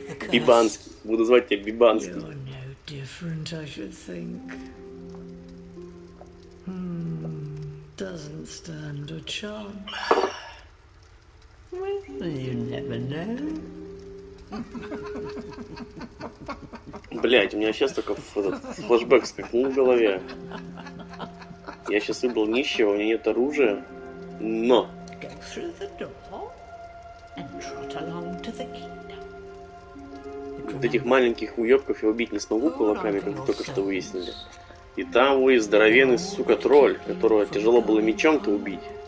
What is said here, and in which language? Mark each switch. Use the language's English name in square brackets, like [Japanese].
[Russian] Бибанский. Буду звать тебя Бибанский. [English] Different, I should think. Doesn't stand a chance. Well, you never know. [Russian] Блять, у меня сейчас только флешбэк скакнул в голове. Я сейчас выбрал нищего, у меня нет оружия. Но! [English] Go through the door and trot along to the kingdom. [Russian] Вот этих маленьких уёбков я убить не смогу кулаками, как только что выяснили. И там вы здоровенный, сука, тролль, которого тяжело было мечом-то убить.